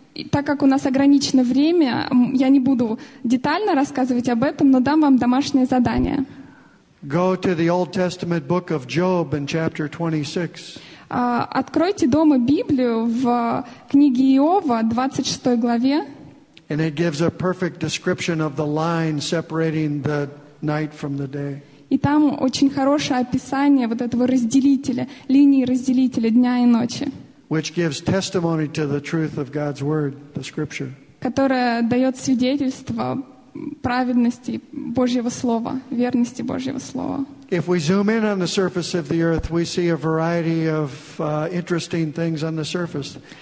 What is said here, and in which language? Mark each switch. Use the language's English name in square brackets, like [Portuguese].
[Russian] Так как у нас ограничено время, я не буду детально рассказывать об этом, но дам вам домашнее задание. [English] Go to the Old Testament book of Job in chapter 26. [Russian] Откройте дома Библию в книге Иова, 26 главе. [English] And it gives a perfect description of the line separating the night from the day. [Russian] И там очень хорошее описание вот этого разделителя, линии разделителя дня и ночи. [English] Which gives testimony to the truth of God's word, the scripture. [Russian] Которая дает свидетельство праведности Божьего слова, верности Божьего слова. [English] If we zoom in on the surface of the earth, we see a variety of interesting things on the surface.